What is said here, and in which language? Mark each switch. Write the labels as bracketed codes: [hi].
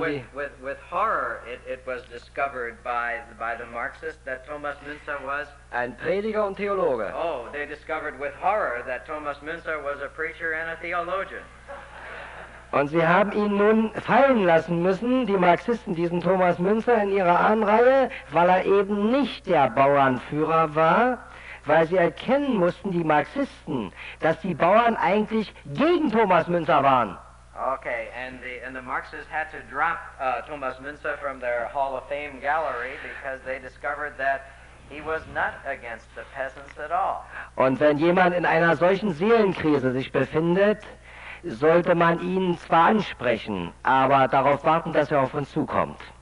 [en] die with horror it was discovered by the Marxists that Thomas Münzer was [de] ein Prediger und Theologe. [en] Oh, they discovered with horror that Thomas Münzer was a preacher and a theologian. [de] Und sie haben ihn nun fallen lassen müssen, die Marxisten, diesen Thomas Münzer in ihrer Ahnenreihe, weil er eben nicht der Bauernführer war. Weil sie erkennen mussten, die Marxisten, dass die Bauern eigentlich gegen Thomas Münzer waren. [en] Okay, and the Marxists had to drop Thomas Münzer from their Hall of Fame gallery, because they discovered that he was not against the peasants at all. [de] Und wenn jemand in einer solchen Seelenkrise sich befindet, sollte man ihn zwar ansprechen, aber darauf warten, dass er auf uns zukommt.